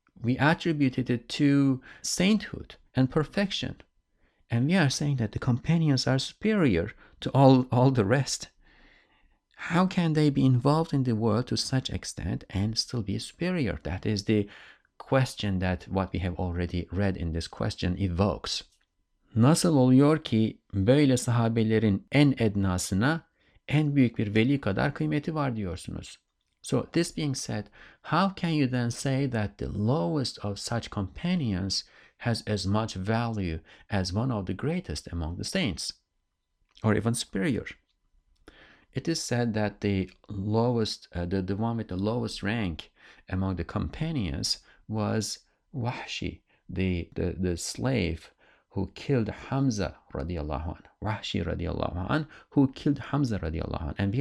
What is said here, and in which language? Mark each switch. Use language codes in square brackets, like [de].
[en] We attributed it to sainthood and perfection. And we are saying that the companions are superior to all the rest. How can they be involved in the world to such extent and still be superior? That is the question that what we have already read in this question evokes. [tr] Nasıl oluyor ki böyle sahabelerin en ednasına en büyük bir veli kadar kıymeti var diyorsunuz? [en] So this being said, how can you then say that the lowest of such companions has as much value as one of the greatest among the saints, or even superior? It is said that the lowest, the one with the lowest rank among the companions was Wahshi, the slave who killed Hamza radiallahu anhu, Wahshi radiallahu anhu, who killed Hamza radiallahu anhu.